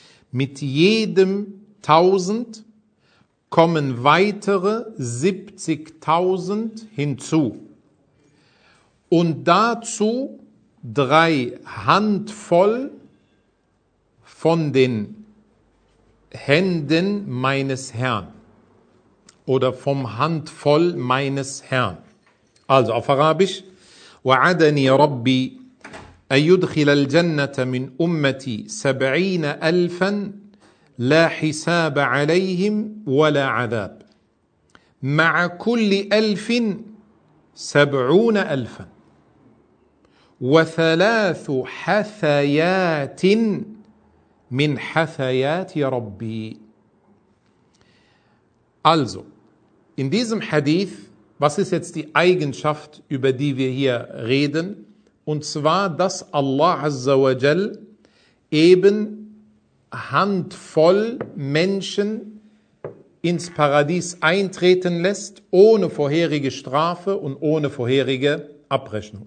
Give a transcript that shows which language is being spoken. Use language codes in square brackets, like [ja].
[de] Mit jedem 1.000 kommen weitere 70.000 hinzu und dazu 3 Handvoll von den Händen meines Herrn oder vom Handvoll meines Herrn. Also auf Arabisch: [ar] وعدني ربي أن يدخل الجنة من أمتي 70,000 لا حساب عليهم ولا عذاب مع كل 70,000 وثلاث حثيات من حثيات ربي. [de] Also, in diesem Hadith, was ist jetzt die Eigenschaft, über die wir hier reden? Und zwar, dass Allah Azza wa Jal eben Handvoll Menschen ins Paradies eintreten lässt, ohne vorherige Strafe und ohne vorherige Abrechnung.